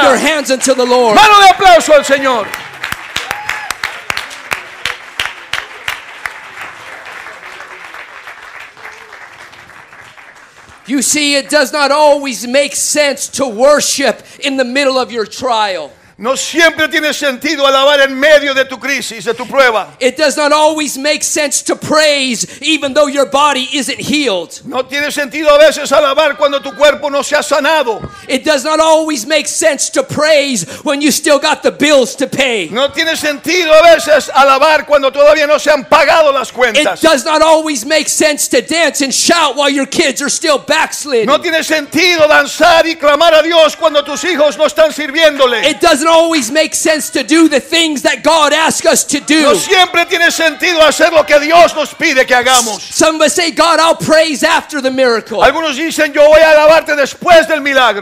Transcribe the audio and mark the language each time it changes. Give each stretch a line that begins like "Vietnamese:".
English: Clap your hands unto the Lord.
Spanish: Mano de aplauso al Señor.
English: You see, it does not always make sense to worship in the middle of your trial.
Spanish: No siempre tiene sentido alabar en medio de tu crisis, de tu prueba.
English: It does not always make sense to praise even though your body isn't healed.
Spanish: No tiene sentido a veces alabar cuando tu cuerpo no se ha sanado.
English: It does not always make sense to praise when you still got the bills to pay.
Spanish: No tiene sentido a veces alabar cuando todavía no se han pagado las cuentas.
English: It does not always make sense to dance and shout while your kids are still backslidden.
Spanish: No tiene sentido danzar y clamar a Dios cuando tus hijos no están sirviéndole.
English: It doesn't always make sense to do the things that God asks us to do.
Spanish: No siempre tiene sentido hacer lo que Dios nos pide que hagamos.
English: Some would say, God, I'll praise after the miracle.
Spanish: Algunos dicen, yo voy a alabarte después del milagro.